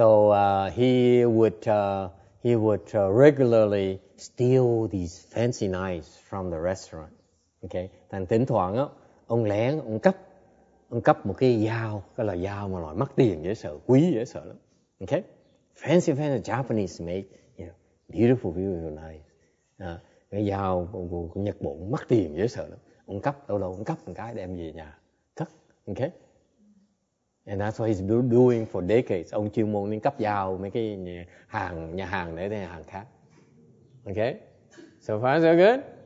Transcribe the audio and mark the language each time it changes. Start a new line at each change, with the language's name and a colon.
English: So he would regularly steal these fancy knives from the restaurant.
Vietnamese: Okay, thành thỉnh thoảng á, ông lén ông cắp một cái dao, cái loại dao mà loại mắc tiền dễ sợ, quý dễ sợ lắm.
English: Okay, fancy Japanese made, you know, beautiful knives.
Vietnamese: Cái dao của Nhật Bản mắc tiền dễ sợ lắm. Ông cắp đâu đâu, ông cắp một cái đem về nhà cắt.
English: Okay, and that's what he's been doing for decades.
Vietnamese: Ông chuyên môn nên cắp dao mấy cái nhà hàng để nhà hàng khác.
English: Okay, so far so good.